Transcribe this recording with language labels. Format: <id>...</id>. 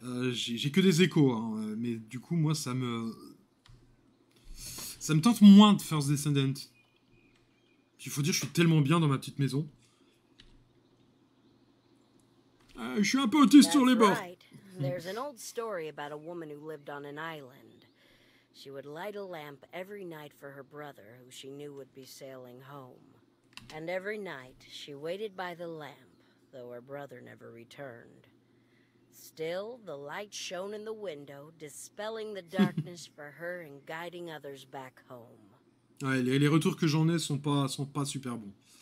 <fr>J'ai que des échos, hein, mais du coup, moi, ça me tente moins de First Descendant. Il faut dire, je suis tellement bien dans ma petite maison. Je suis un peu autiste sur les bords.</fr> <en>There's an old story about a woman who lived on an island. She would light a lamp every night for her brother, who she knew would be sailing home. And every night, she waited by the lamp, though her brother never returned. Still, the light shone in the window, dispelling the darkness for her and guiding others back home.</en> <fr>Ouais, les retours que j'en ai sont pas super bons.</fr>